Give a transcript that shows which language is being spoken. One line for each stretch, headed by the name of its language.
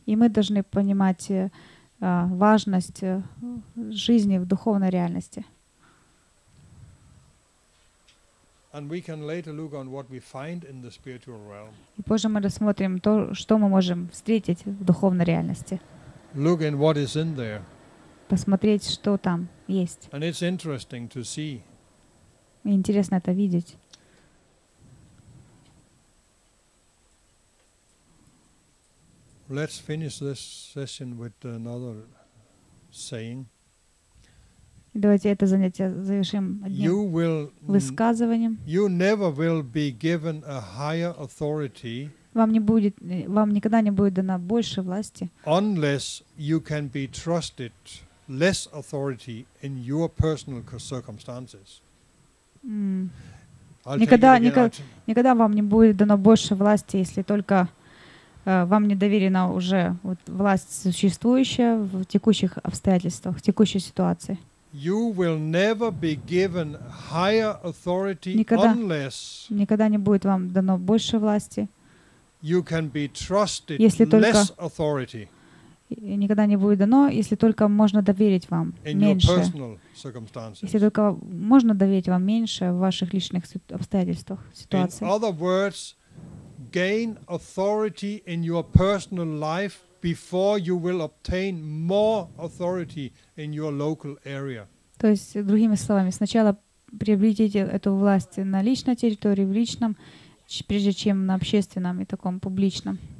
Russian: И мы должны понимать важность жизни в духовной реальности.
English: And we can later look on what we find in the spiritual realm.
Russian: И позже мы рассмотрим то, что мы можем встретить в духовной реальности.
English: Look in what is in there.
Russian: Посмотреть, что там есть.
English: And it's interesting to see.
Russian: Интересно это видеть.
English: Let's finish this session with another saying.
Russian: Давайте это занятие завершим одним высказыванием.
English: You never will be given a higher authority.
Russian: Вам никогда не будет дана больше власти.
English: Unless you can be trusted less authority in your personal circumstances.
Russian: Никогда вам не будет дано больше власти, если только вам не доверена уже вот власть существующая в текущих обстоятельствах, в текущей ситуации.
English: You will never be given higher authority unless
Russian: никогда не будет вам дано больше власти.
English: You can be trusted less authority.
Russian: Никогда не будет дано, если только можно доверить вам меньше.
English: In your personal circumstances.
Russian: Если только можно доверить вам меньше в ваших личных обстоятельствах, ситуациях.
English: In other words, gain authority in your personal life before you will obtain more authority in your local area.
Russian: То есть, другими словами, сначала приобретите эту власть на личной территории, в личном, прежде чем на общественном и таком публичном.